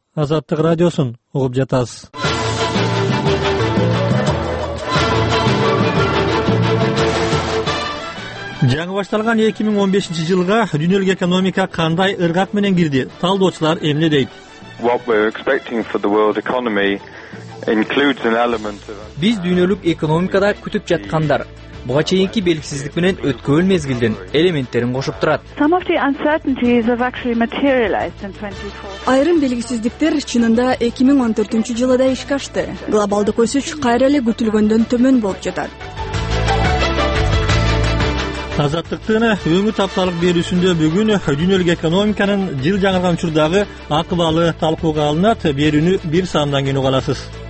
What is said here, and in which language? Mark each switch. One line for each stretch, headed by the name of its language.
Kyrgyz: Азаттык радиосун угуп жатасыз. Жаңы башталган 2015 жылга дүйнөлүк экономика кандай ыргак менен кирди? Талдоочулар эмне дейт?
English: What we're expecting for the world economy includes an element of...
Kyrgyz: Биз дүйнөлүк экономикада күтүп жаткандар буга чейинки белгисиздик менен өткөн мезгилдин элементтерин кошуп турат.
English: Some of the uncertainties have actually materialized in 2014.
Kyrgyz: Айрым белгисиздиктер чынында 2014 жылы да ишке ашты. Глобалдык өсүш кайра эле күтүлгөндөн төмөн болуп жатат. Азаттыктын өңүт апталык берүүсүндө бүгүн дүйнөлүк экономиканын жыл жаңырган учурдагы акыбалы талкууга алынат. Берүүнү бир саамдан кийин угасыз.